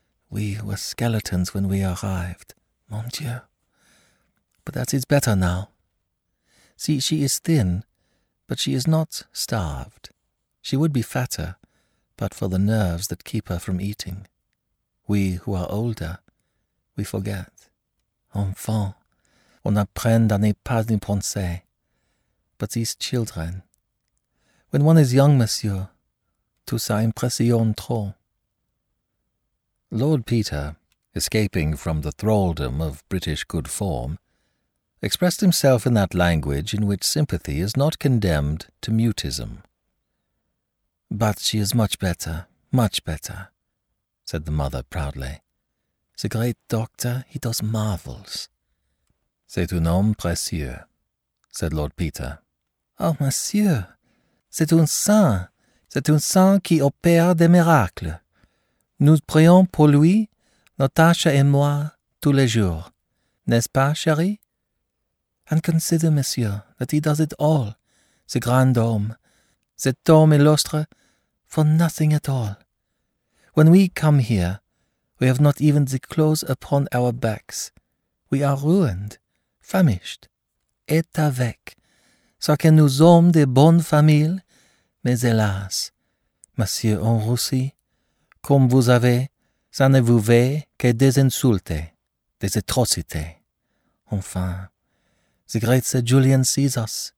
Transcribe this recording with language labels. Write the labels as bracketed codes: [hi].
[en] We were skeletons when we arrived, [fr] mon Dieu. [en] But that is better now. See, she is thin, but she is not starved. She would be fatter, but for the nerves that keep her from eating. We who are older, we forget. [fr] Enfant, on apprend à ne pas y penser. [en] But these children, when one is young, monsieur, [fr] tout ça impressionne trop." [en] Lord Peter, escaping from the thraldom of British good form, expressed himself in that language in which sympathy is not condemned to mutism. "But she is much better, much better," said the mother proudly. "The great doctor, he does marvels." [fr] "C'est un homme précieux," [en] said Lord Peter. [fr] "Oh, monsieur, c'est un saint. C'est un saint qui opère des miracles. Nous prions pour lui, Natasha et moi, tous les jours. N'est-ce pas, chérie? [en] And consider, monsieur, that he does it all, [fr] ce grand homme. Cet homme illustre, [en] for nothing at all. When we come here, we have not even the clothes upon our backs. We are ruined, famished. Et avec, [fr] ce que nous sommes de bonne famille, mais hélas, monsieur en Russie, comme vous avez, ça ne vous veut que des insultes, des atrocités. Enfin, [en] the great Sir Julian sees us.